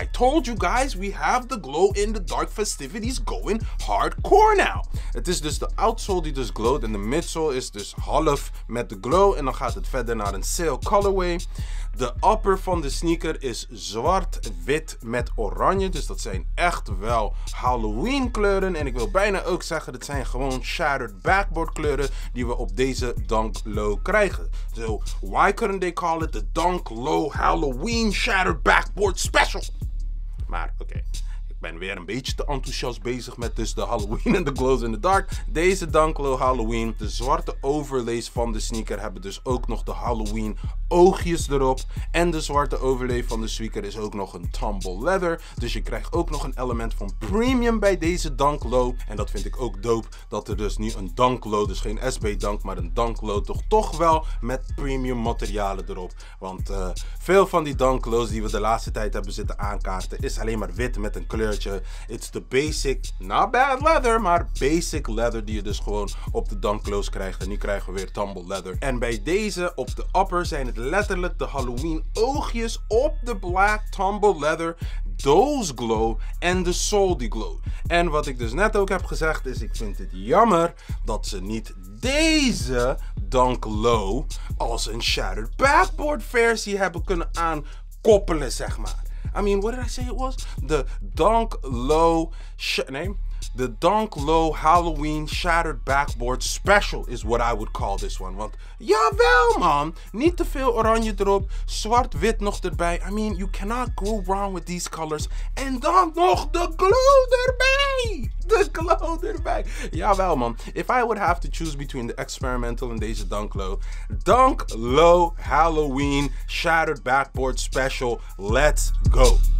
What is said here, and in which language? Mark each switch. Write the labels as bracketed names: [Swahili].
[English] I told you guys, we have the glow in the dark festivities going hardcore now. [Dutch] Het is dus de outsole die dus glowt en de midsole is dus half met de glow. En dan gaat het verder naar een sail colorway. De upper van de sneaker is zwart-wit met oranje. Dus dat zijn echt wel Halloween kleuren. En ik wil bijna ook zeggen, dat zijn gewoon shattered backboard kleuren die we op deze Dunk Low krijgen. [English] So, why couldn't they call it the Dunk Low Halloween Shattered Backboard Special? [Dutch] Maar, oké. Okay. Ik ben weer een beetje te enthousiast bezig met dus de Halloween en de glows in the dark. Deze Dunk Low Halloween, de zwarte overlays van de sneaker hebben dus ook nog de Halloween oogjes erop. En de zwarte overlay van de sneaker is ook nog een tumble leather. Dus je krijgt ook nog een element van premium bij deze Dunk Low. En dat vind ik ook dope dat er dus nu een Dunk Low, dus geen SB Dunk, maar een Dunk Low toch wel met premium materialen erop. Want veel van die Dunk Lows die we de laatste tijd hebben zitten aankaarten is alleen maar wit met een kleurtje. [English] It's the basic, not bad leather, [Dutch] maar basic leather die je dus gewoon op de Dunk Lows krijgt. En nu krijgen we weer tumble leather. En bij deze op de upper zijn het letterlijk de Halloween oogjes op de black tumble leather. [English] Those glow [Dutch] en de soul die glow. En wat ik dus net ook heb gezegd is, ik vind het jammer dat ze niet deze Dunk Low als een shattered backboard versie hebben kunnen aankoppelen, zeg maar. [English] I mean, what did I say it was? The Dunk Low Halloween Shattered Backboard Special is what I would call this one. [Dutch] Want, jawel man, niet te veel oranje erop, zwart-wit nog erbij. [English] I mean, you cannot go wrong with these colors. [Dutch] En dan nog de glow erbij! De glow erbij! Jawel man, [English] if I would have to choose between the experimental and deze Dunk Low, Dunk Low Halloween Shattered Backboard Special, let's go!